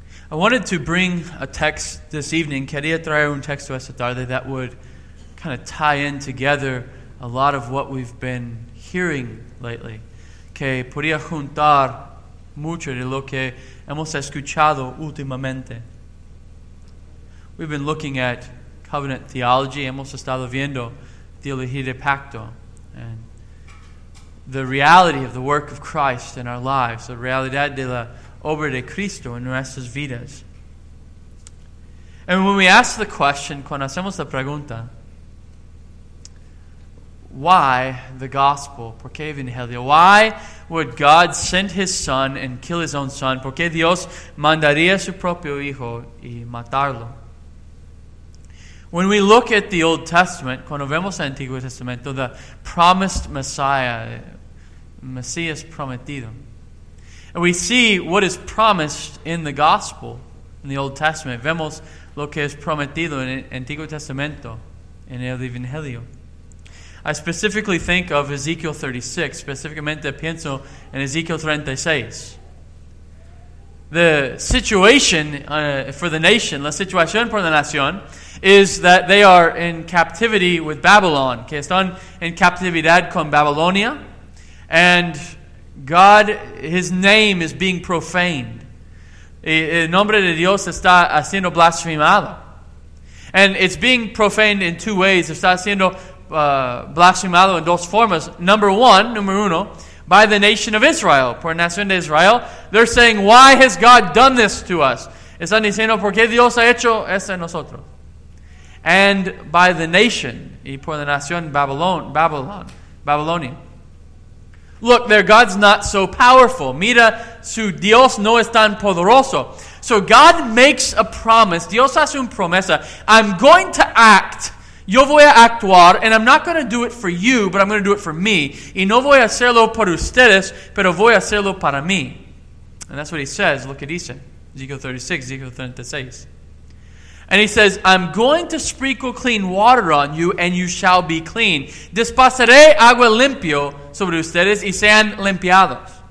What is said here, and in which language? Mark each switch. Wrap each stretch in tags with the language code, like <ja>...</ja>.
<en>I wanted to bring a text this evening.</en> <es>Quería traer un texto esta tarde</es> <en>that would kind of tie in together a lot of what we've been hearing lately.</en> <es>Que podría juntar mucho de lo que hemos escuchado últimamente.</es> <en>We've been looking at covenant theology.</en> <es>Hemos estado viendo teología de pacto.</es> <en>And the reality of the work of Christ in our lives.</en> <es>The realidad de la obra de Cristo en nuestras vidas.</es> <en>And when we ask the question,</en> <es>cuando hacemos la pregunta,</es> <en>why the gospel?</en> <es>¿Por qué evangelio?</es> <en>Why would God send his son and kill his own son?</en> <es>¿Por qué Dios mandaría su propio hijo y matarlo?</es> <en>When we look at the Old Testament,</en> <es>cuando vemos el Antiguo Testamento,</es> <en>the promised Messiah,</en> <es>Mesías prometido,</es> <en>and we see what is promised in the gospel, in the Old Testament.</en> <es>Vemos lo que es prometido en el Antiguo Testamento, en el Evangelio.</es> <en>I specifically think of Ezekiel 36.</en> <es>Specificamente pienso en Ezekiel 36.</es> <en>The situation for the nation,</en> <es>la situación por la nación,</es> <en>is that they are in captivity with Babylon.</en> <es>Que están en captividad con Babilonia.</es> <en>And God, his name is being profaned.</en> <es>El nombre de Dios está siendo blasfemado.</es> <en>And it's being profaned in two ways.</en> <es>Está siendo blasfemado en dos formas.</es> <en>Number uno, by the nation of Israel.</en> <es>Por la nación de Israel.</es> <en>They're saying, why has God done this to us?</en> <es>Están diciendo, ¿por qué Dios ha hecho esto en nosotros?</es> <en>And by the nation.</en> <es>Y por la nación Babilonia.</es> <en>Look, their God's not so powerful.</en> <es>Mira, su Dios no es tan poderoso.</es> <en>So God makes a promise.</en> <es>Dios hace una promesa.</es> <en>I'm going to act.</en> <es>Yo voy a actuar.</es> <en>And I'm not going to do it for you, but I'm going to do it for me.</en> <es>Y no voy a hacerlo por ustedes, pero voy a hacerlo para mí.</es> <en>And that's what he says. Look at Ezekiel 36, Ezekiel 36. And he says, I'm going to sprinkle clean water on you, and you shall be clean.</en> <es>Despasaré agua limpio sobre ustedes y sean limpiados.</es>